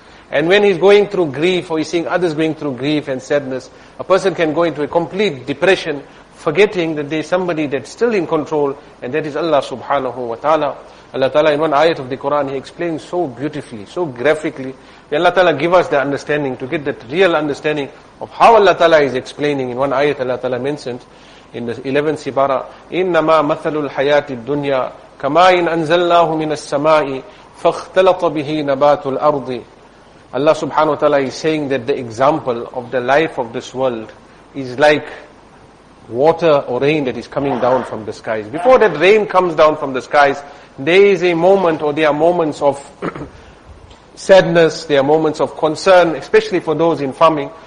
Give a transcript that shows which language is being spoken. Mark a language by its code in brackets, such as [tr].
[en] And when he's going through grief, or he's seeing others going through grief and sadness, a person can go into a complete depression, forgetting that there's somebody that's still in control, and that is Allah subhanahu wa ta'ala. Allah ta'ala in one ayat of the Quran, He explains so beautifully, so graphically. May Allah ta'ala give us the understanding, to get that real understanding of how Allah ta'ala is explaining. In one ayat Allah ta'ala mentions, in the 11th sibara, [ar] إِنَّمَا مَثَلُ الْحَيَاةِ الدُّنْيَا كَمَا إِنْ أَنزَلْنَاهُ مِنَ السَّمَاءِ فَاخْتَلَطَ بِهِ نَبَاتُ الْأَرْضِ. [en] Allah subhanahu wa ta'ala is saying that the example of the life of this world is like water or rain that is coming down from the skies. Before that rain comes down from the skies, there is a moment, or there are moments of sadness, there are moments of concern, especially for those in farming.